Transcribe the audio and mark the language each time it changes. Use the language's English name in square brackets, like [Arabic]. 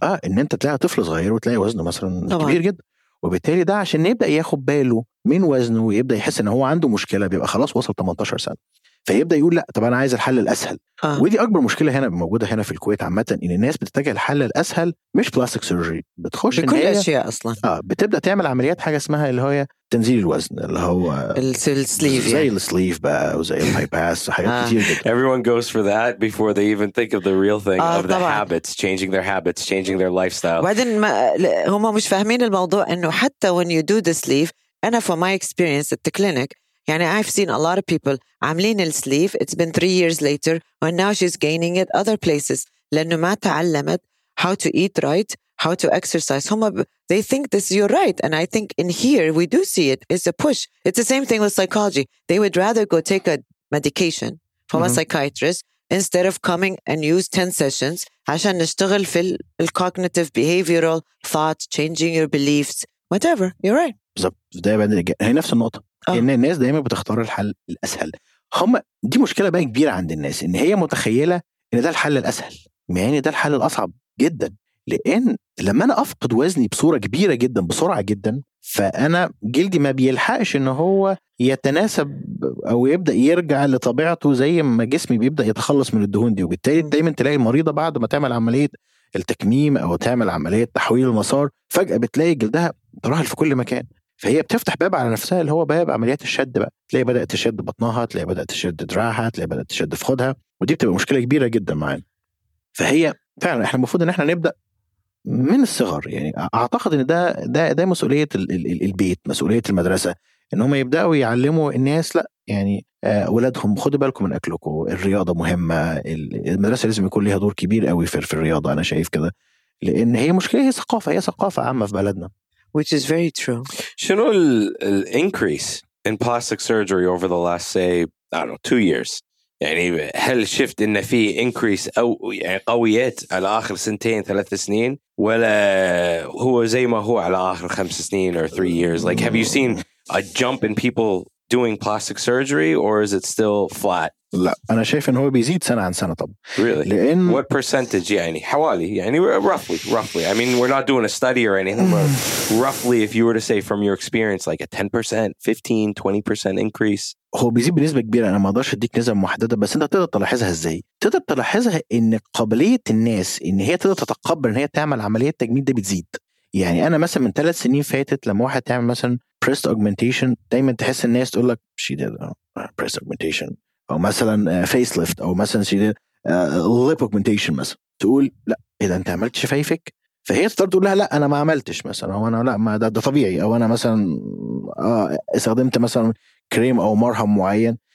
[Arabic] إن أنت تلاقي طفل صغير وتلاقي وزنه مثلا كبير جدا، وبالتالي ده عشان يبدأ ياخد باله من وزنه ويبدأ يحس إن هو عنده مشكلة بيبقى خلاص وصل 18 سنة، فيبدأ يقول لا طب أنا عايز الحل الأسهل. ودي أكبر مشكلة هنا موجودة هنا في الكويت عامة، إن الناس بتتجه الحل الأسهل مش بلاستيك سيرجري، بتخش بكل أشياء أصلاً. بتبدأ تعمل عمليات حاجة اسمها اللي هي تنزيل الوزن، اللي هو السليف زي السليف بقى وزي الهاي باس حاجات كتير جدا. [English] Everyone goes for that before they even think of the real thing of the habits, changing their habits, changing their lifestyle. [Arabic] وبعدين هم مش فاهمين الموضوع إنه حتى [English] when you do the sleeve, أنا for my experience at the clinic, يعني I've seen a lot of people [Arabic] عاملين السليف, [English] it's been 3 years later and now she's gaining it other places [Arabic] لأنه ما تعلمت [English] how to eat right, how to exercise. هم they think this is your right, and I think in here we do see it, it's a push. It's the same thing with psychology. They would rather go take a medication from a psychiatrist instead of coming and use 10 sessions [Arabic] عشان نشتغل في [English] الcognitive behavioral thoughts, changing your beliefs, whatever. You're right. [Arabic] هي نفس النقطة. إن الناس دايما بتختار الحل الأسهل. هم دي مشكلة بقى كبيرة عند الناس، إن هي متخيلة إن ده الحل الأسهل، يعني ده الحل الأصعب جدا. لأن لما أنا أفقد وزني بصورة كبيرة جدا بسرعة جدا، فأنا جلدي ما بيلحقش إن هو يتناسب أو يبدأ يرجع لطبيعته زي ما جسمي بيبدأ يتخلص من الدهون دي. وبالتالي دايما تلاقي المريضة بعد ما تعمل عملية التكميم أو تعمل عملية تحويل المسار، فجأة بتلاقي جلدها تراهل في كل مكان. فهي بتفتح باب على نفسها اللي هو باب عمليات الشد بقى، تلاقي بدأت تشد بطنها، تلاقي بدأت تشد دراعها، تلاقي بدأت تشد في خدها، ودي بتبقى مشكلة كبيرة جدا معانا. فهي فعلا احنا المفروض ان احنا نبدأ من الصغر، يعني اعتقد ان ده مسؤولية البيت، مسؤولية المدرسة، ان هم يبدأوا يعلموا الناس لا يعني ولادهم خدوا بالكم من اكلكم، الرياضة مهمة، المدرسة لازم يكون ليها دور كبير قوي في الرياضة. انا شايف كده لان هي مشكلة، هي ثقافة عامة في بلدنا. [English] Which is very true. شنو increase in plastic surgery over the last, say, I don't know, 2 years? [Arabic] يعني هل شفت إن في increase أو يعني قويات على آخر سنتين ثلاث سنين، ولا هو زي ما هو على آخر خمس سنين [English] or 3 years? Like, have you seen a jump in people doing plastic surgery, or is it still flat? [Arabic] لا أنا شايف إن هو بيزيد سنة عن سنة. طب [English] really? [Arabic] لأن [English] what percentage [Arabic] يعني حوالي يعني [English] roughly I mean we're not doing a study or anything but roughly if you were to say from your experience like a 10% 15 20% increase. [Arabic] هو بيزيد بنسبة كبيرة، أنا ما أقدرش أديك نسبة محددة، بس أنت تقدر تلاحظها إزاي؟ تقدر تلاحظها إن قابلية الناس إن هي تقدر تتقبل إن هي تعمل عملية تجميل ده بتزيد. يعني أنا مثلا من 3 سنين فاتت لما واحد تعمل مثلا breast augmentation دايما تحس الناس تقول لك [English] she did breast augmentation [Arabic] أو مثلاً فيس ليفت أو مثلاً شيء ليب أوغمنتيشن مثلاً، تقول لا إذا أنت عملت شفايفك، فهي تضطر تقول لها لا أنا ما عملتش مثلاً، أو أنا لا ما ده طبيعي، أو أنا مثلاً استخدمت مثلاً كريم أو مرهم معين.